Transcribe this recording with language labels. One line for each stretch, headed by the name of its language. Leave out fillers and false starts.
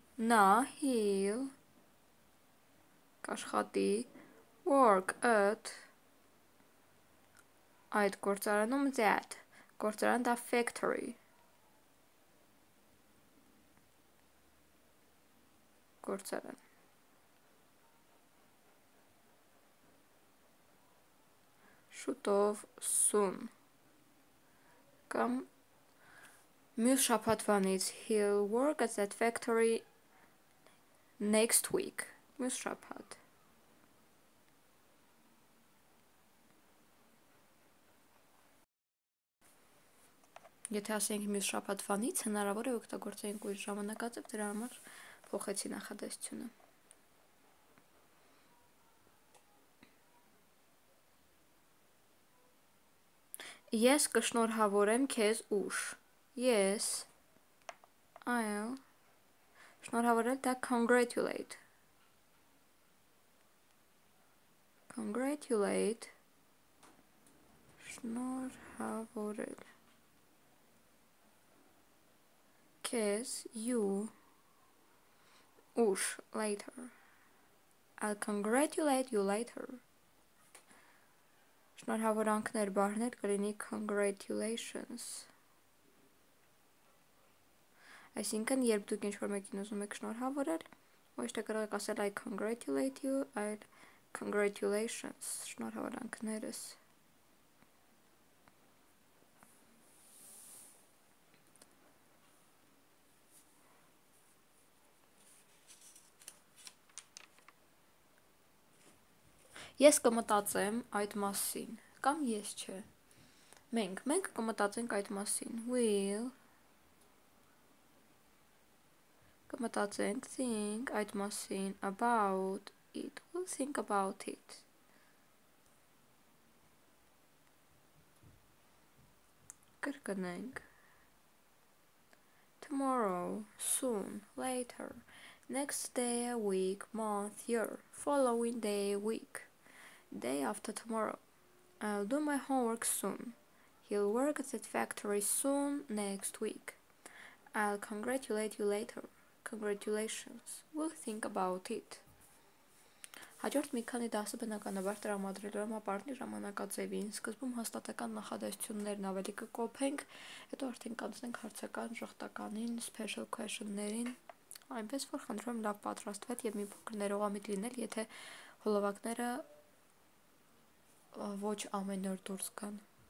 Armenian: Նա he'll կաշխատի work at այդ գործարանում that. Գործարան դա factory. Գործարան. Շուտով soon.
English: Կամ մյուս շաբաթվանից he'll work at that factory next week.
Armenian: Մյուս շաբաթ. Եթե ասենք մյուս շաբաթվանից, հնարավոր է օգտագործենք ուրիշ ժամանակաձև, դրա համար փոխեցի նախադասությունը. Ես կշնորհավորեմ քեզ ուշ. Yes. I'll. Շնորհավորել դա congratulate. Congratulate. Շնորհավորել.
English: Kiss you. Ուշ. Later. I'll congratulate you later.
Armenian: Շնորհավորանքներ բառներ կլինի congratulations. Այսինքն, երբ դուք ինչ-որ մեկին ուզում եք շնորհավորել, ոչ թե կարող եք ասել I congratulate you, այլ congratulations, շնորհավորանքներս. Ես կմտածեմ այդ մասին. Կամ ես չէ, մենք կմտածենք այդ մասին, we'll, կմտածենք think այդ մասին, about it, we'll think about it.
English: Կրկնենք, tomorrow, soon, later, next day, week, month, year, following day, week, day after tomorrow. I'll do my homework soon. He'll work at that factory soon next week. I'll congratulate you later. Congratulations. We'll think about it.
Armenian: Հաջորդ մի քանի դասը բնականաբար տրամադրելու եմ ապարտի ժամանակաձևին, սկզբում հաստատական նախադասություններն ավելի կկոփենք, հետո արդեն կանցնենք հարցական ժխտականին, special question-ներին, այնպես որ խնդրում եմ լավ պատրաստվել եւ մի փոքր ներողամիտ լինել, եթե հոլովակները ոչ ամեն օր դուրս գան.